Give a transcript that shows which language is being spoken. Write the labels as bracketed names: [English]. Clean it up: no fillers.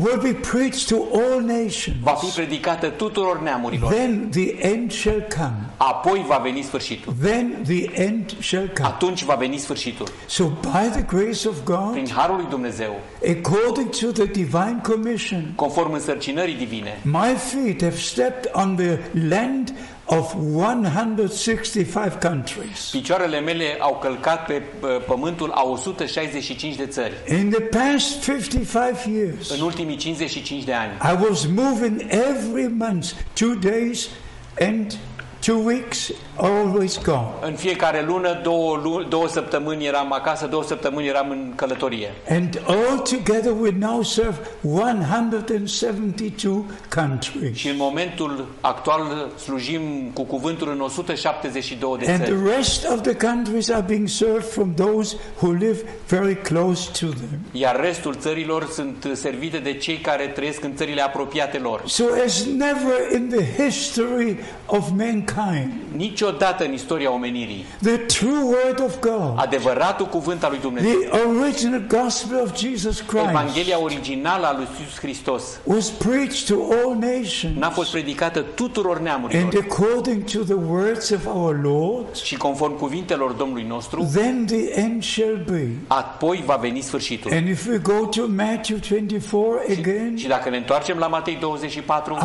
[English] Will be preached to all nations. [Romanian] Va fi predicată tuturor neamurilor. [English] Then the end shall come. [Romanian] Apoi va veni sfârșitul. [English] Then the end shall come. [Romanian] Atunci va veni sfârșitul. [English] So by the grace of God, [Romanian] prin harul lui Dumnezeu, [English] according to the divine commission, [Romanian] conform însărcinării divine, [English] my feet have stepped on the land of 165 countries. [Romanian] Picioarele mele au călcat pe pământul a 165 de țări. [English] In the past 55 years, [Romanian] în ultimii 55 de ani, [English] I was moving every month, 2 days and 2 weeks always gone. [Romanian] În fiecare lună două săptămâni eram acasă, două săptămâni eram în călătorie. [English] And all together we now serve 172 countries. [Romanian] Și în momentul actual slujim cu cuvântul în 172 de țări. [English] And the rest of the countries are being served from those who live very close to them. [Romanian] Iar restul țărilor sunt servite de cei care trăiesc în țările apropiate lor. [English] So as never in the history of mankind. [Romanian] Niciodată în istoria omenirii. [English] The true word of God. [Romanian] Adevăratul cuvânt al lui Dumnezeu. [English] The original gospel of Jesus Christ. [Romanian] Evanghelia originală a lui Iisus Hristos. [English] Was preached to all nations. [Romanian] N-a fost predicată tuturor neamurilor. [English] And according to the words of our Lord. [Romanian] Și conform cuvintelor Domnului nostru. [English] Then the end shall be. [Romanian] Apoi va veni sfârșitul. [English] And if we go to Matthew 24 again. [Romanian] Și dacă ne întoarcem la Matei 24.